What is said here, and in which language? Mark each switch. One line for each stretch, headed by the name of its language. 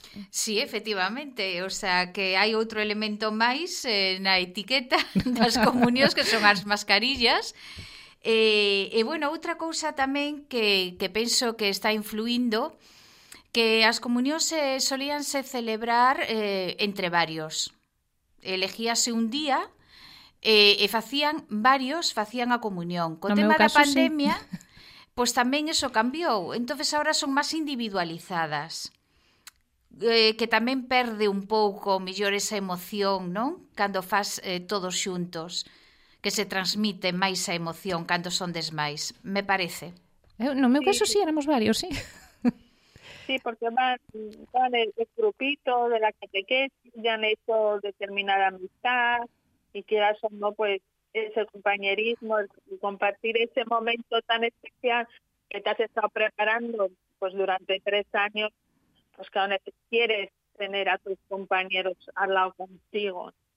Galician: Sí, efectivamente, o sea, que hai outro elemento máis na etiqueta das comunións que son as mascarillas. Bueno, outra cousa tamén que penso que está influindo, que as comunións solíanse celebrar entre varios. Elegíase un día e facían a comunión. Co no tema meu caso, da pandemia, sí. Pois tamén eso cambiou. Entonces ahora son máis individualizadas. Que tamén perde un pouco, mellor, esa emoción, non? Cando faz todos xuntos, que se transmite máis a emoción cando son desmais, me parece. No meu caso, sí, éramos varios, sí.
Spanish: Sí, porque van el grupito de la catequesis, ya han hecho determinada amistad, y quieras o no, pues, ese compañerismo, el compartir ese momento tan especial que te has estado preparando pues durante 3 años, pues que aún quieres tener a tus compañeros al lado contigo.